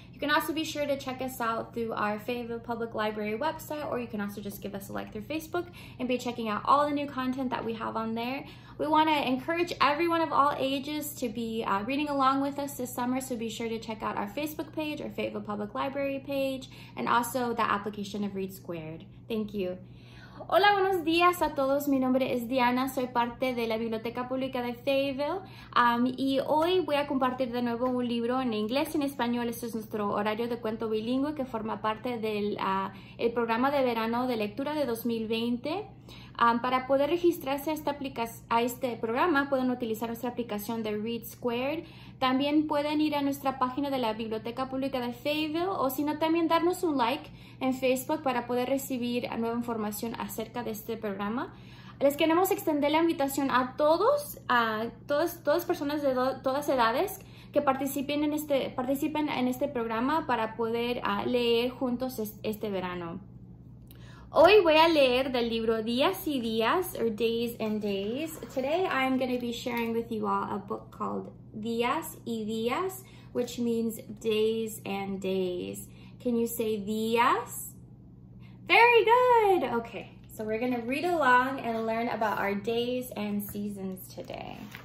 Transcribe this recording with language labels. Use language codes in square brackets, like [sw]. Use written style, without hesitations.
[en] You can also be sure to check us out through our Fayetteville Public Library website, or you can also just give us a like through Facebook and be checking out all the new content that we have on there. We want to encourage everyone of all ages to be reading along with us this summer, so be sure to check out our Facebook page, our Fayetteville Public Library page, and also the application of Read Squared. Thank you. [es] Hola, buenos días a todos. Mi nombre es Diana. Soy parte de la Biblioteca Pública de Fayetteville. Y hoy voy a compartir de nuevo un libro en inglés y en español. Este es nuestro horario de cuento bilingüe que forma parte del el programa de verano de lectura de 2020. Para poder registrarse a este programa, pueden utilizar nuestra aplicación de Read Squared. También pueden ir a nuestra página de la Biblioteca Pública de Fayetteville, o si no, también darnos un like en Facebook para poder recibir nueva información acerca de este programa. Les queremos extender la invitación a todos, todas personas de todas edades que participen en este programa para poder leer juntos este verano. Hoy voy a leer del libro Días y Días, [en] or Days and Days. Today I'm going to be sharing with you all a book called Días y Días, which means days and days. Can you say días? Very good! Okay, so we're going to read along and learn about our days and seasons today.